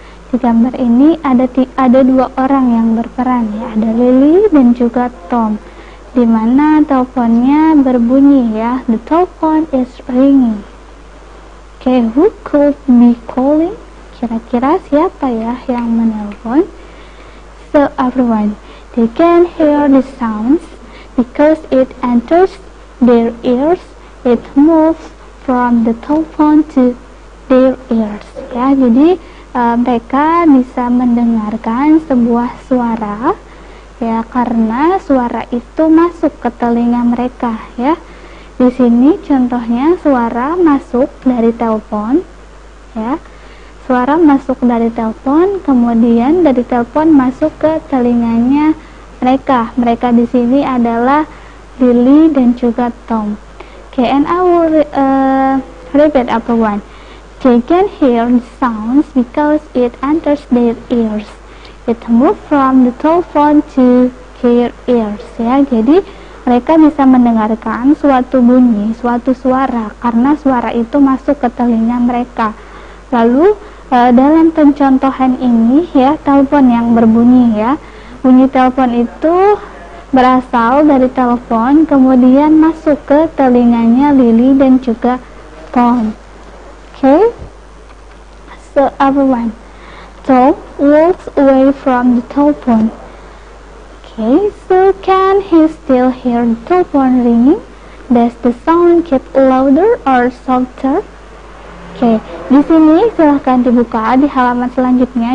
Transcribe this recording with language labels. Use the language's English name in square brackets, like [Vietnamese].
[Indonesian] Di gambar ini ada dua orang yang berperan. Ya, ada Lily dan juga Tom. Di mana teleponnya berbunyi ya. [English] The telephone is ringing. Okay, who could be calling? [Indonesian] Kira-kira siapa ya yang menelpon? [English] So everyone, they can hear the sounds because it enters their ears. It moves from the telephone to their ears. [Indonesian] Ya, jadi mereka bisa mendengarkan sebuah suara ya, karena suara itu masuk ke telinga mereka ya. Di sini contohnya suara masuk dari telepon ya. Suara masuk dari telepon, kemudian dari telepon masuk ke telinganya mereka. Mereka di sini adalah Lily dan juga Tom. [English] Okay, and I will repeat everyone. They can hear the sounds because it enters their ears. It moves from the telephone to their ears ya. [Indonesian] Jadi mereka bisa mendengarkan suatu bunyi, suatu suara, karena suara itu masuk ke telinga mereka. Lalu dalam pencontohan ini ya, telepon yang berbunyi ya, bunyi telepon itu berasal dari telepon, kemudian masuk ke telinganya Lily dan juga Tom. [English] Okay, so everyone, Tom walks away from the telephone. Okay, so can he still hear the telephone ringing? Does the sound get louder or softer? Okay, [Indonesian] di sini silahkan dibuka di halaman selanjutnya.